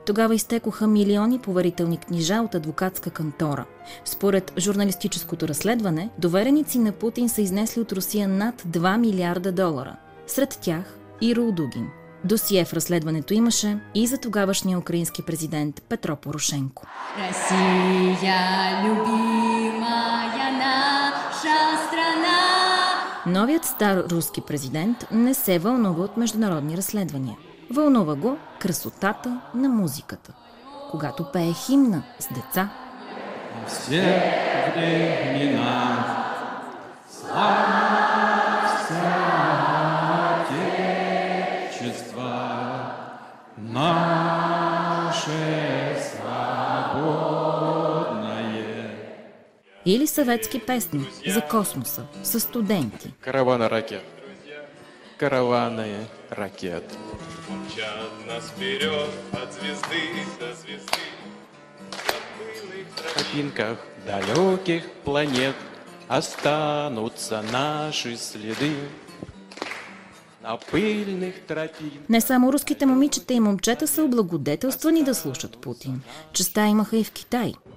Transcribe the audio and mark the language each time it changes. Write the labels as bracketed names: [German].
[Bulgarian] Тогава изтекоха милиони поверителни книжа от адвокатска кантора. Според журналистическото разследване, довереници на Путин са изнесли от Русия над 2 милиарда долара. Сред тях и Ролдугин. Досие в разследването имаше и за тогавашния украински президент Петро Порошенко. [Russian] Русия, любимая наша страна. [Bulgarian] Новият стар руски президент не се вълнува от международни разследвания. Вълнува го красотата на музиката, когато пее химна с деца. [Russian] Все времена, славься отечество, наше свободное. [Bulgarian] Или съветски песни за космоса, за студенти. [Russian] Каравана ракет. Караваны ракет. Мчат нас вперед от звезды до звезды. В тропинках далеких планет останутся наши следы. [Bulgarian] Не само руските момичета и момчета са облагодетелствани да слушат Путин. Честа имаха и в Китай.